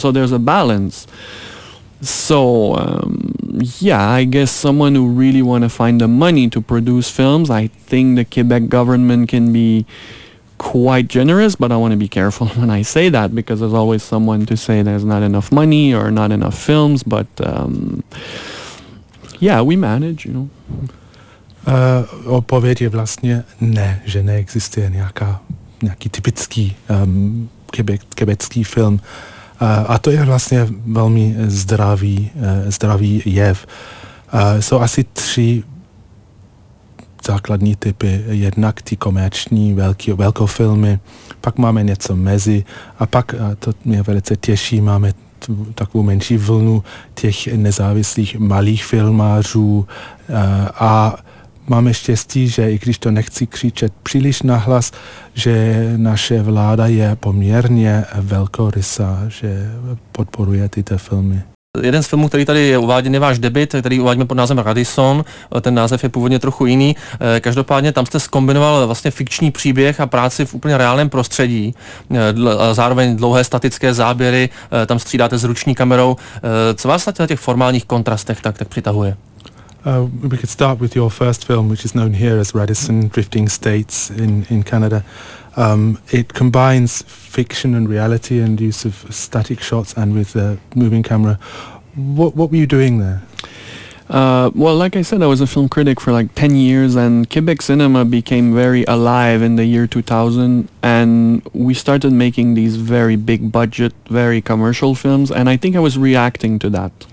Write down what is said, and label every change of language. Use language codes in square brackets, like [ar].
[en] So there's a balance. So, I guess someone who really want to find the money to produce films, I think the Quebec government can be quite generous, but I want to be careful when I say that, because there's always someone to say there's not enough money or not enough films, but we manage, you know. [cs] Odpověď je vlastně ne, že neexistuje nějaký typický quebecký film. A to je vlastně velmi zdravý jev. Jsou asi tři základní typy, jednak ty komerční velkou filmy, pak máme něco mezi a pak, a to mě velice těší, máme takovou menší vlnu těch nezávislých malých filmářů a máme štěstí, že i když to nechci křičet příliš nahlas, že naše vláda je poměrně velkorysá, že podporuje tyto filmy. Jeden z filmů, který tady je uváděn, je váš debut, který uvádíme pod názvem Radisson. Ten název je původně trochu jiný. Každopádně tam jste zkombinoval vlastně fikční příběh a práci v úplně reálném prostředí. Zároveň dlouhé statické záběry, tam střídáte s ruční kamerou. Co vás na těch formálních kontrastech tak přitahuje? [en] We could start with your first film, which is known here as Radisson, Drifting States in Canada. It combines fiction and reality and use of static shots and with a moving camera. What were you doing there? Well, like I said, I was a film critic for like 10 years and Quebec cinema became very alive in the year 2000 and we started making these very big budget, very commercial films and I think I was reacting to that.